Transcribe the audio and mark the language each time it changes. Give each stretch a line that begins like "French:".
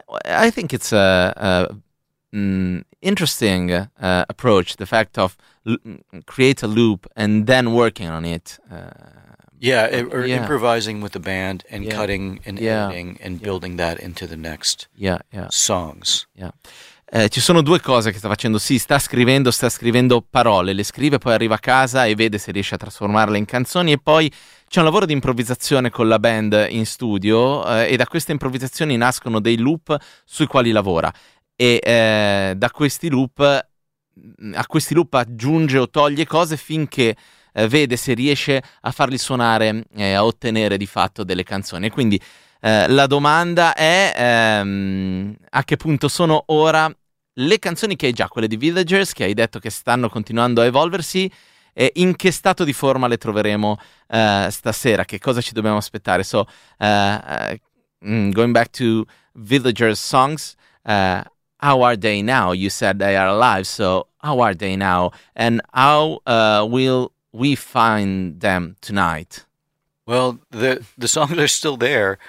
English: I think it's interesting approach, the fact of create a loop and then working on it. Improvising with the band and cutting and editing and building that into the next songs.
Italian: Yeah. Ci sono due cose che sta facendo. Sì, sta scrivendo parole, le scrive, poi arriva a casa e vede se riesce a trasformarle in canzoni, e poi c'è un lavoro di improvvisazione con la band in studio e da queste improvvisazioni nascono dei loop sui quali lavora. E da questi loop, a questi loop aggiunge o toglie cose finché vede se riesce a farli suonare e a ottenere di fatto delle canzoni. Quindi la domanda è a che punto sono ora le canzoni che hai già, quelle di Villagers, che hai detto che stanno continuando a evolversi, e in che stato di forma le troveremo stasera? Che cosa ci dobbiamo aspettare?
English: So, going back to Villagers songs, how are they now? You said they are alive, so how are they now? And how will we find them tonight? Well, the songs are still there.